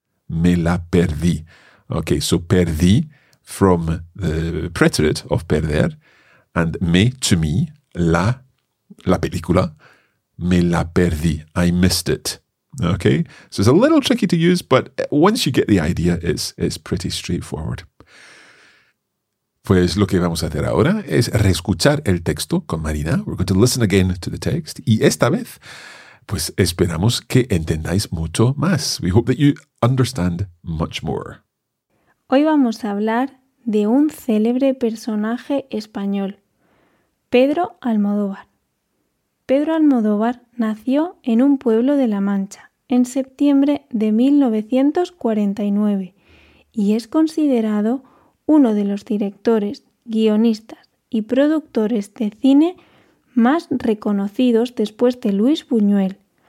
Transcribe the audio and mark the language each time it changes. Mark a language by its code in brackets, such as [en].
[es] Me la perdí. [en] Okay, so perdí from the preterite of perder, and me, to me, [es] la película, me la perdí, [en] I missed it. Okay, so it's a little tricky to use, but once you get the idea, it's pretty straightforward. [es] Pues lo que vamos a hacer ahora es reescuchar el texto con Marina. [en] We're going to listen again to the text. [es] Y esta vez, pues esperamos que entendáis mucho más. [en] We hope that you understand much more. [es] Hoy vamos a hablar de un célebre personaje español, Pedro Almodóvar. Pedro Almodóvar nació en un pueblo de La Mancha en septiembre de 1949 y es considerado uno de los directores, guionistas y productores de cine más reconocidos después de Luis Buñuel.